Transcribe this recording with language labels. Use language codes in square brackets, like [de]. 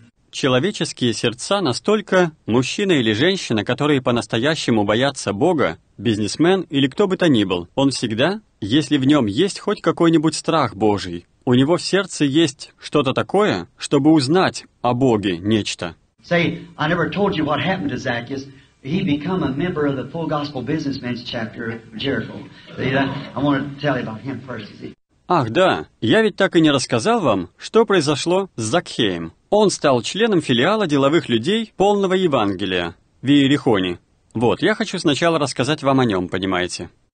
[ru] Человеческие сердца настолько, мужчина или женщина, которые по-настоящему боятся Бога, бизнесмен или кто бы то ни был, он всегда, если в нем есть хоть какой-нибудь страх Божий, у него в сердце есть что-то такое, чтобы узнать о Боге нечто. [en] Say, I never told you what happened to Zacchaeus. He became a member of the full gospel businessman's chapter of Jericho. I want to tell you about him first. [ru] Ах, да, я ведь так и не рассказал вам, что произошло с Закхеем. Он стал членом филиала деловых людей полного Евангелия в Иерихоне. Вот, я хочу сначала рассказать вам о нем, понимаете?